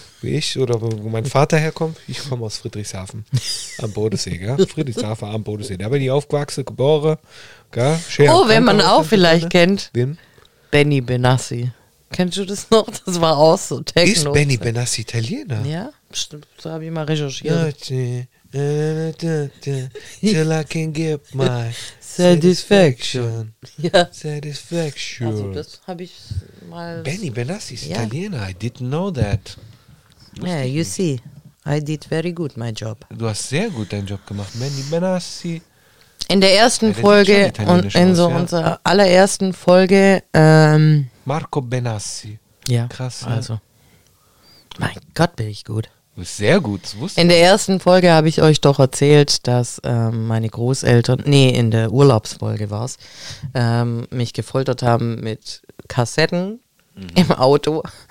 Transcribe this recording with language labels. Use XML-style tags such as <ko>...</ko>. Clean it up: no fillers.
<de>Wie ich, oder wo mein Vater herkommt. Ich komme aus Friedrichshafen am Bodensee, gell? Friedrichshafen am Bodensee. Da bin ich aufgewachsen, geboren, gell? Oh, wenn man auch vielleicht kennt. Wen? Benny Benassi. Kennst du das noch? Das war auch so Techno. Ist Benny Benassi Italiener? Ja, so habe ich mal recherchiert.</de> <en>Till I can get my satisfaction.</en> <de>Ja.</de> <en>Satisfaction.</en> <de>Also das habe ich mal. Benny Benassi ist Italiener.</de> <en>I didn't know that. Yeah, you see, I did very good my job.</en> <de>Du hast sehr gut deinen Job gemacht, Benny Benassi. In der ersten Folge und in so unserer allerersten Folge. Marco Benassi. Ja. Krass. Also. Mein Gott, bin ich gut. Sehr gut, das wusste ich. In der ersten Folge habe ich euch doch erzählt, dass meine Großeltern, in der Urlaubsfolge war es, mich gefoltert haben mit Kassetten im Auto.</de>